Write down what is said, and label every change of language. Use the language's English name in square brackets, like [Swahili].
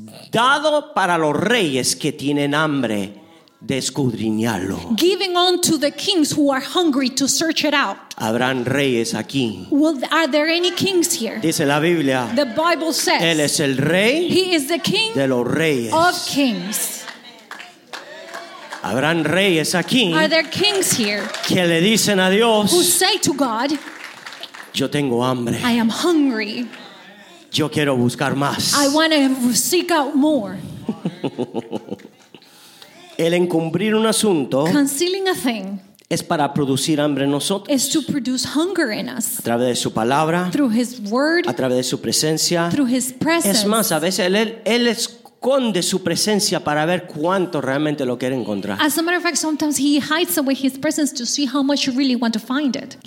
[Spanish] dado para los reyes que tienen hambre de escudriñarlo. [English] Giving on to the kings who are hungry to search it out. [Spanish] Habrán reyes aquí. [English] Well, are there any kings here? [Spanish] Dice la Biblia. [English] The Bible says. [Spanish] Él es el rey. [English] He is the king [Spanish] de los reyes. [English] Of kings. [Spanish] Habrán reyes aquí. [English] Are there kings here? [Spanish] Que le dicen a Dios. [English] Who say to God. [Spanish] Yo tengo hambre. [English] I am hungry. [Spanish] Yo quiero buscar más. [English] I want to seek out more. [Spanish] El encubrir un asunto [English] concealing a thing [Spanish] es para producir hambre en nosotros [English] is to produce hunger in us [Spanish] a través de su palabra [English] through his word [Spanish] a través de su presencia [English] through his presence [Spanish] es más a veces él esconde su presencia para ver cuánto realmente lo quiere encontrar [English] as a matter of fact sometimes he hides away his presence to see how much you really want to find it